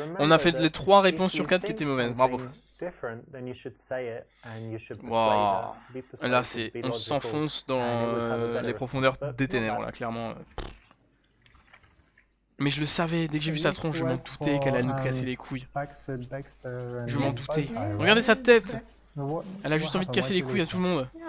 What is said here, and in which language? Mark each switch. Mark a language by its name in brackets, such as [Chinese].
[French] On a fait les 3 réponses sur 4 qui étaient mauvaises, bravo. [English] Different, then you should say it and you should wow. [French] Là, c'est, on s'enfonce dans les profondeurs des ténèbres, là, clairement. Mais je le savais, dès que j'ai vu sa tronche, je m'en doutais qu'elle allait nous casser les couilles. Je m'en doutais. Regardez sa tête. Elle a juste envie de casser les couilles à tout le monde.